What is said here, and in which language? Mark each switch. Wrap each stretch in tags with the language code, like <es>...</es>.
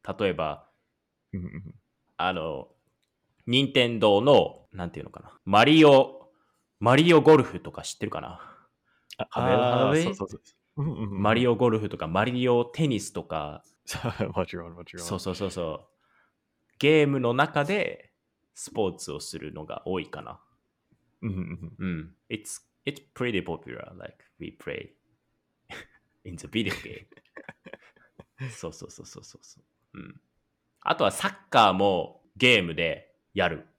<ja>例えばあの任天堂のなんていうのかな、マリオゴルフとか知ってるかな。そう。マリオゴルフとかマリオテニスとか。もちろん。そう。ゲームの中でスポーツをするのが多いかな。うん。</ja> <en>It's pretty popular, like we play in the video game.</en> <ja>そう。うん。あとはサッカーもゲームでやる。</ja>